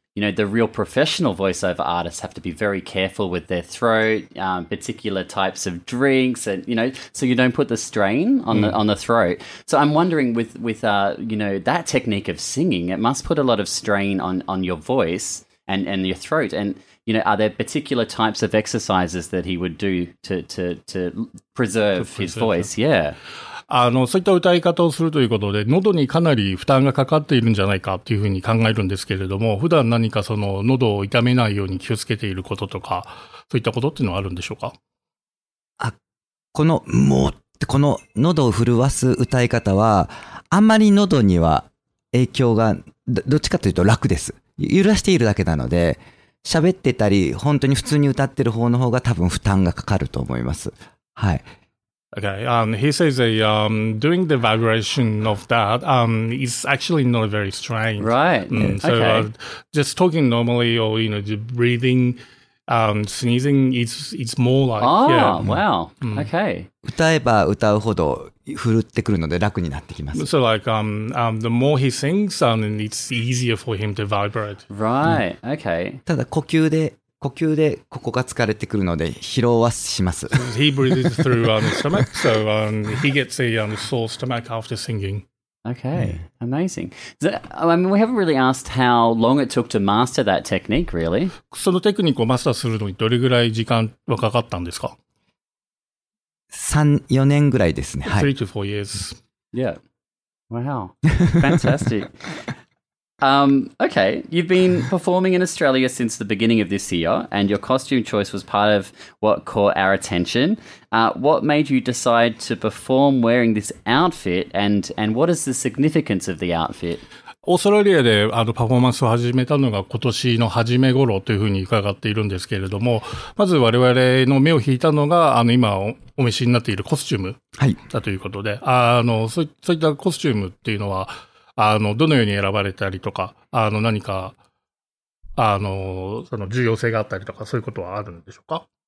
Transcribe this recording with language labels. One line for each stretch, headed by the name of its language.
English: You know, the real professional voiceover artists have to be very careful with their throat, particular types of drinks, and, you know, so you don't put the strain on the throat. So I'm wondering with that technique of singing, it must put a lot of strain on your voice and your throat. And, you know, are there particular types of exercises that he would do to preserve his voice? Yeah.
Japanese: そういった歌い方をするということで、喉にかなり負担がかかっているんじゃないかというふうに考えるんですけれども、普段何かその喉を痛めないように気をつけていることとか、そういったことっていうのはあるんでしょうか？この、もうって、この喉を震わす歌い方は、あんまり喉には影響が、どっちかというと楽です。揺らしているだけなので、喋ってたり、本当に普通に歌ってる方の方が多分負担がかかると思います。はい。
English: Okay, he says doing the vibration of that is actually not very strange. Right. Just talking normally or, you know, breathing, sneezing, it's more like. Oh, yeah. Wow. Mm. Okay.
Japanese: 歌えば歌うほど振るってくるので楽になってきます。
English: So, like, the more he sings, it's easier for him to vibrate. Right. Mm. Okay.
Japanese: ただ呼吸でここが疲れてくるので疲労はします。
English: He breathes through the stomach, so he gets a sore stomach after singing. Okay, amazing. We haven't really asked how long it took to master that technique, really.
Japanese: そのテクニックをマスターするのにどれぐらい時間はかかったんですか？ 3-4年ぐらいですね。
English: 3-4 years. Yeah. Wow. Fantastic. okay, you've been performing in Australia since the beginning of this year, and your costume choice was part of what caught our attention. What made you decide to perform wearing this outfit, and what is the significance of the outfit?
Japanese: オーストラリアでパフォーマンスを始めたのが今年の初め頃というふうに伺っているんですけれども、まず我々の目を引いたのが今お召しになっているコスチュームだということで、はい、そういったコスチュームっていうのは、どのように選ばれたりとか、何か、その重要性があったりとか、そういうことはあるんでしょうか？